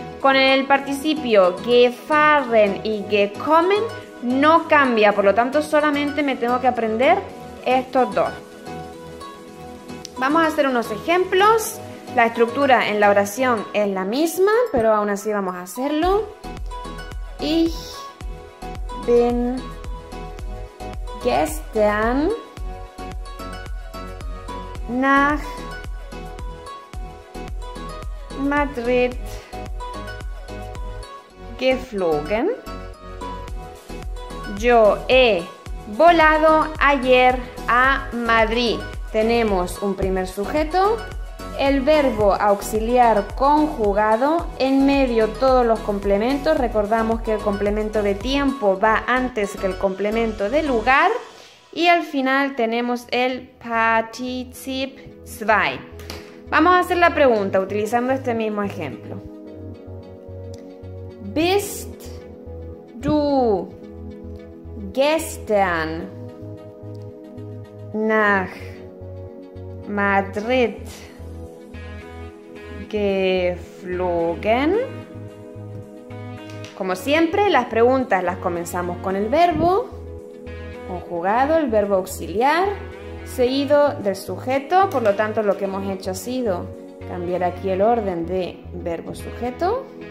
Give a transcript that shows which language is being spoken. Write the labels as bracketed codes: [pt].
[es] Con el participio gefahren y gekommen no cambia, por lo tanto solamente me tengo que aprender estos dos. Vamos a hacer unos ejemplos. La estructura en la oración es la misma, pero aún así vamos a hacerlo. [de] Ich bin gestern nach Madrid geflogen. [es] Yo he volado ayer a Madrid. Tenemos un primer sujeto, el verbo auxiliar conjugado, en medio todos los complementos. Recordamos que el complemento de tiempo va antes que el complemento de lugar. Y al final tenemos el Partizip 2. Vamos a hacer la pregunta utilizando este mismo ejemplo. [de] ¿Bist du gestern nach Madrid geflogen? [es] Como siempre, las preguntas las comenzamos con el verbo conjugado, el verbo auxiliar, seguido del sujeto. Por lo tanto, lo que hemos hecho ha sido cambiar aquí el orden de verbo-sujeto.